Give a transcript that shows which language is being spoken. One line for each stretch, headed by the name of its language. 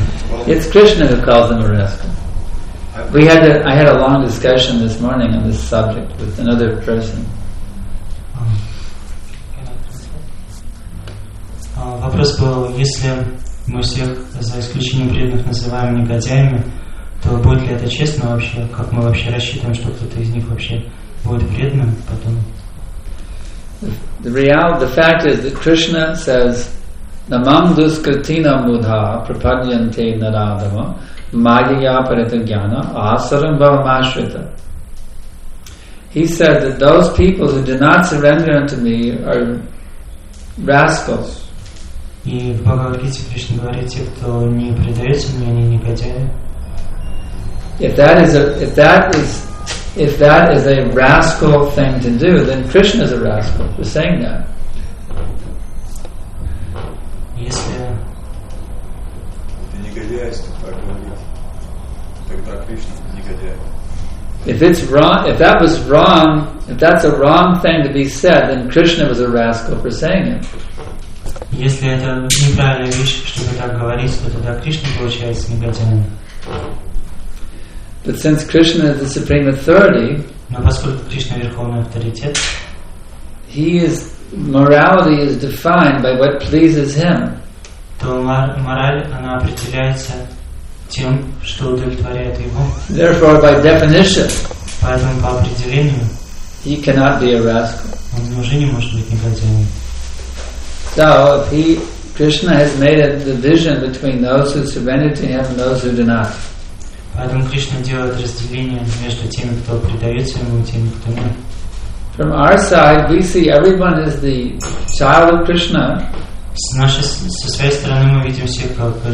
English: Well, it's Krishna who calls them a rascal. I had a long discussion this morning on this subject with another person.
Russian: Вопрос был, если мы всех, за исключением преданных, называем негодяями, то будет ли это честно вообще? Как мы вообще рассчитываем, что кто-то из них вообще будет преданным потом?
English: The fact is that Krishna says,
Sanskrit: Namam duskritina mudha prapadyante naradama magiya paritajnana asarambhavam ashrita.
English: He said that those people who do not surrender unto me are rascals.
Russian: И в Бхагавад-гите Кришна говорит, те, кто не предается мне, они негодяи.
English: If that is a rascal thing to do, then Krishna is a rascal for saying that.
Russian: Если ты негодяй, если так говорить, тогда Кришна негодяй.
English: If it's wrong, if that was wrong, if that's a wrong thing to be said, then Krishna was a rascal for saying it.
Russian: Если это неправильная вещь, чтобы так говорить, то тогда Кришна получается негодяем.
English: But since Krishna is the supreme authority,
Russian: но поскольку Кришна верховный авторитет,
English: morality is defined by what pleases him.
Russian: То мораль она определяется тем, что удовлетворяет его.
English: Therefore, by definition,
Russian: поэтому по определению,
English: he cannot be a rascal.
Russian: Он уже не может быть негодяем.
English: So if Krishna has made a division between those who surrender to him and those who do not.
Russian: Поэтому Кришна делает разделение между теми, кто предается ему, и теми, кто нет.
English: From our side, we see everyone as the child of Krishna.
Russian: Со своей стороны мы видим всех как